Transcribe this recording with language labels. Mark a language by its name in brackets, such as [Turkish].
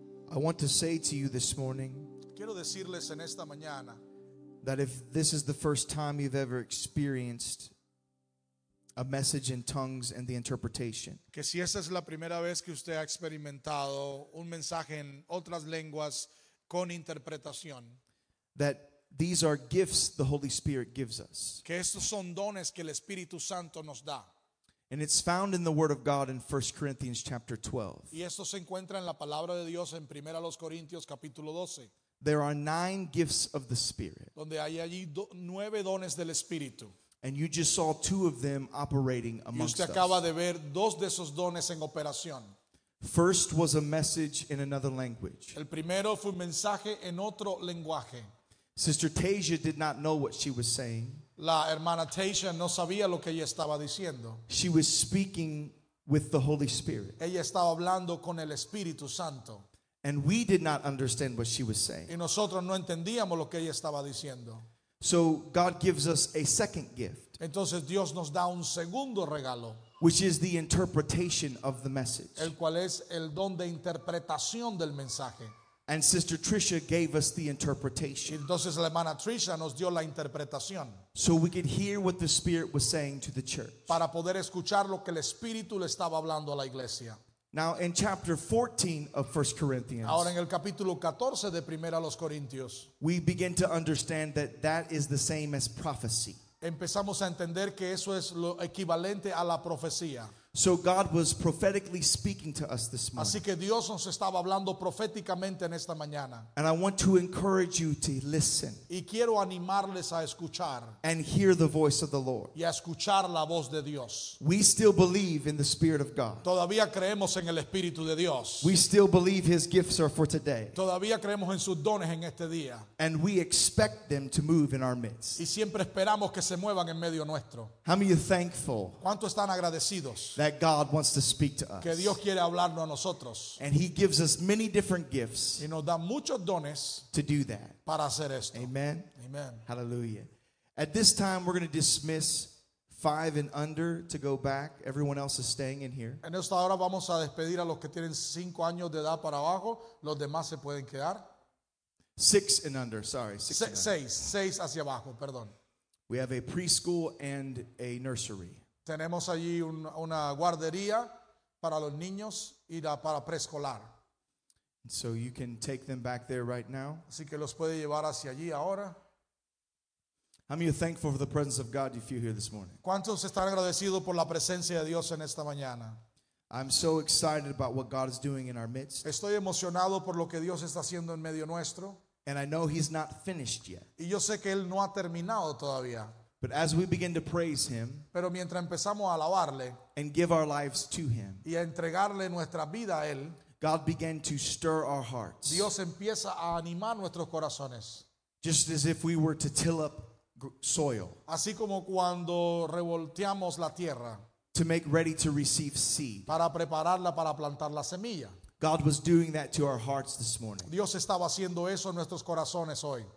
[English] I want to say to you this morning, [Spanish] quiero decirles en esta mañana, [English] that if this is the first time you've ever experienced a message in tongues and the interpretation, [Spanish] que si esta es la primera vez que usted ha experimentado un mensaje en otras lenguas con interpretación, [English] that these are gifts the Holy Spirit gives us, [Spanish] que estos son dones que el Espíritu Santo nos da. [English] And it's found in the Word of God in 1 Corinthians chapter 12. [Spanish] Y esto se encuentra en la palabra de Dios en Primera los Corintios capítulo 12. [English] There are 9 gifts of the Spirit. [Spanish] Donde hay allí 9 dones del Espíritu. [English] And you just saw 2 of them operating amongst us. [Spanish] Y usted acaba de ver 2 de esos dones en operación. [English] First was a message in another language. [Spanish] El primero fue un mensaje en otro lenguaje. [English] Sister Tasia did not know what she was saying. [Spanish] La hermana Tasia no sabía lo que ella estaba diciendo. [English] She was speaking with the Holy Spirit. [Spanish] Ella estaba hablando con el Espíritu Santo. [English] And we did not understand what she was saying. [Spanish] Y nosotros no entendíamos lo que ella estaba diciendo. [English] So God gives us a second gift. [Spanish] Entonces Dios nos da un segundo regalo. [English] Which is the interpretation of the message. [Spanish] El cual es el don de interpretación del mensaje. [English] And Sister Tricia gave us the interpretation. [Spanish] Entonces la hermana Tricia nos dio la interpretación. [English] So we could hear what the Spirit was saying to the church. [Spanish] Para poder escuchar lo que el Espíritu le estaba hablando a la iglesia. [English] Now in chapter 14 of 1 Corinthians. [Spanish] Ahora en el capítulo 14 de Primera los Corintios. [English] We begin to understand that that is the same as prophecy. [Spanish] Empezamos a entender que eso es lo equivalente a la profecía. [English] So God was prophetically speaking to us this morning. [Spanish] Así que Dios nos estaba hablando proféticamente en esta mañana. [English] And I want to encourage you to listen. [Spanish] Y quiero animarles a escuchar. [English] And hear the voice of the Lord. [Spanish] Y a escuchar la voz de Dios. [English] We still believe in the Spirit of God. [Spanish] Todavía creemos en el Espíritu de Dios. [English] We still believe His gifts are for today. [Spanish] Todavía creemos en sus dones en este día. [English] And we expect them to move in our midst. [Spanish] Y siempre esperamos que se muevan en medio nuestro. [English] How many are thankful? [Spanish] ¿Cuánto están agradecidos? [English] That God wants to speak to us. [Spanish] Que Dios quiere hablarnos a nosotros. [English] And He gives us many different gifts. [Spanish] Y nos da muchos dones [English] to do that. [Spanish] Para hacer esto. [English] Amen. [Spanish] Amen. [English] Hallelujah. At this time, we're going to dismiss 5 and under to go back. Everyone else is staying in here. [Spanish] En esta hora vamos a despedir a los que tienen 5 años de edad para abajo. Los demás se pueden quedar. [English] 6 and under. Sorry. [Spanish] 6 hacia abajo. Perdón. [English] We have a preschool and a nursery. [Spanish] Tenemos allí una guardería para los niños y para preescolar. [English] So you can take them back there right now. [Spanish] Así que los puede llevar hacia allí ahora. [English] How many are thankful for the presence of God you feel here this morning? [Spanish] ¿Cuántos están agradecidos por la presencia de Dios en esta mañana? [English] I'm so excited about what God is doing in our midst. [Spanish] Estoy emocionado por lo que Dios está haciendo en medio nuestro. [English] And I know He's not finished yet. [Spanish] Y yo sé que Él no ha terminado todavía. [English] But as we begin to praise Him, [Spanish] pero mientras empezamos a alabarle, [English] and give our lives to Him, [Spanish] y a entregarle nuestra vida a Él, [English] God began to stir our hearts. [Spanish] Dios empieza a animar nuestros corazones. [English] Just as if we were to till up soil. [Spanish] Así como cuando revolteamos la tierra. [English] To make ready to receive seed. [Spanish] Para prepararla para plantar la semilla. [English] God was doing that to our hearts this morning. [Spanish] Dios estaba haciendo eso en nuestros corazones hoy.